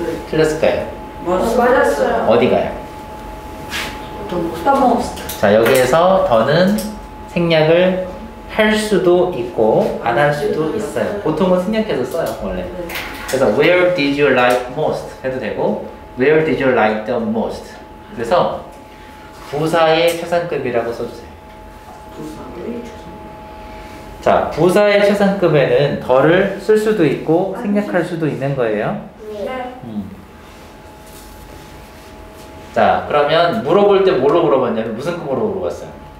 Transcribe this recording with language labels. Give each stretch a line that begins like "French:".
Korean: 틀렸을까요? 맞았어요. 어디가요?
English: The most.
Korean: 자 여기에서 더는 생략을 할 수도 있고 안 할 수도 있어요. 보통은 생략해서 써요 원래. 네. 그래서
English: Where did you like most?
Korean: 해도 되고
English: Where did you like the most?
Korean: 그래서 부사의 최상급이라고 써주세요. 부사의 최상급. 자, 부사의 최상급에는 덜을 쓸 수도 있고 생략할 수도 있는 거예요. 네. 자, 그러면 물어볼 때 뭘로 물어봤냐면 무슨 급으로 물어봤어요?